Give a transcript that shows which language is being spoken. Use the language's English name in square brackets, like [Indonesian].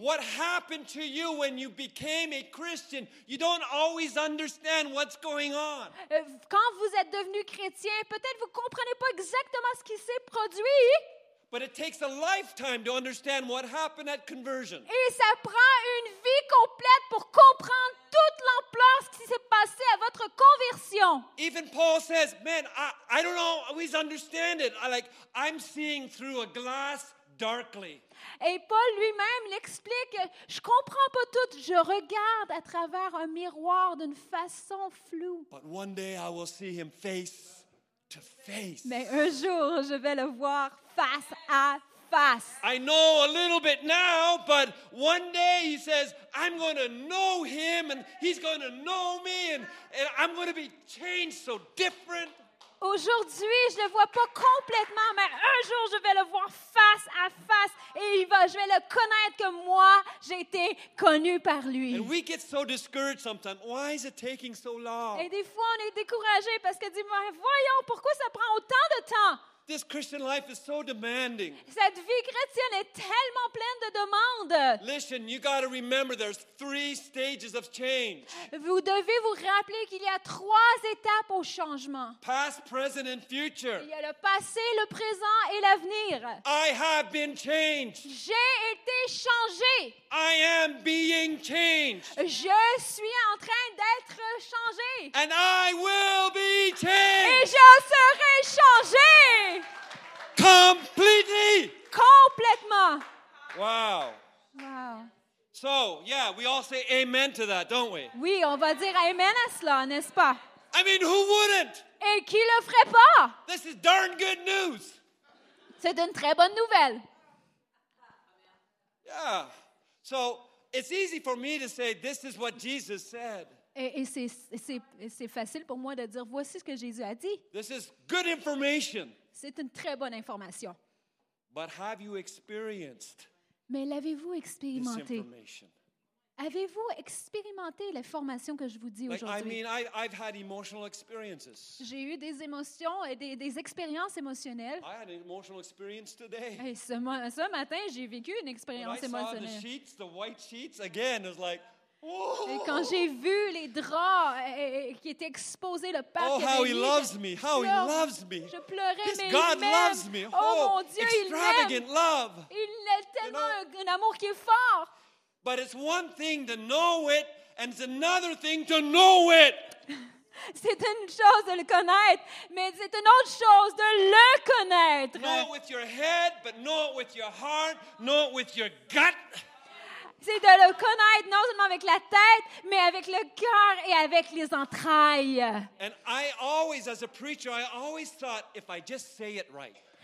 [English] What happened to you when you became a Christian? You don't always understand what's going on. [French] Quand vous êtes devenu chrétien, peut-être vous comprenez pas exactement ce qui s'est produit. [English] But it takes a lifetime to understand what happened at conversion. [French] Et ça prend une vie complète pour comprendre toute l'ampleur ce qui s'est passé à votre conversion. [English] Even Paul says, man, I don't always understand it. I'm seeing through a glass darkly. [French] Et Paul lui-même l'explique, je comprends pas tout, je regarde à travers un miroir d'une façon floue. [English] But one day I will see him face to face. [French] Mais un jour je vais le voir face à face. [English] I know a little bit now, but one day he says, I'm going to know him and he's going to know me and I'm going to be changed so different. [French] Aujourd'hui, je le vois pas complètement, mais un jour je vais le voir face à face et je vais le connaître comme moi, j'ai été connu par lui. [English] And we get so discouraged sometimes. Why is it taking so long? [French] Et des fois on est découragé parce que dis-moi, voyons pourquoi ça prend autant de temps. [English] This Christian life is so demanding. [French] Cette vie chrétienne est tellement pleine de demandes. [English] Listen, you got to remember there's 3 stages of change. [French] Vous devez vous rappeler qu'il y a 3 étapes au changement. [English] Past, present and future. [French] Il y a le passé, le présent et l'avenir. [English] I have been changed. [French] J'ai été changé. [English] I am being changed. [French] Je suis en train d'être changé. [English] And I will be changed. [French] Et je serai changé. [English] Completely. [French] Complètement. Wow. Wow. [English] So, yeah, we all say amen to that, don't we? [French] Oui, on va dire amen à cela, n'est-ce pas? [English] I mean, who wouldn't? [French] Et qui le ferait pas? [English] This is darn good news. [French] C'est une très bonne nouvelle. [English] Yeah. So, it's easy for me to say this is what Jesus said. [French] Et c'est facile pour moi de dire, voici ce que Jésus a dit. [English] This is good information. [French] C'est une très bonne information. [English] But have you experienced [French] Mais l'avez-vous expérimenté? Avez-vous expérimenté l'information que je vous dis aujourd'hui? [English] I've had emotional experiences. [French] J'ai eu des émotions et des expériences émotionnelles. [English] I had an emotional experience today. [French] Et ce matin, j'ai vécu une expérience émotionnelle. [English] When I saw the sheets, the white sheets, again, it was like, [French] et quand j'ai vu les draps qui étaient exposés, le pape [English] oh, how he loves me! How he loves me! [French] Je pleurais, [English] mais God loves me! [French] Oh mon Dieu, il m'aime! [English] Extravagant love! [French] Il est tellement un amour qui est fort! [English] But it's one thing to know it, and it's another thing to know it. [French] C'est une chose de le connaître, mais c'est une autre chose de le connaître. [English] Know it with your head, but know it with your heart, know it with your gut. [French] C'est de le connaître non seulement avec la tête, mais avec le cœur et avec les entrailles. [English] And I always, as a preacher, I always thought if I just say it right.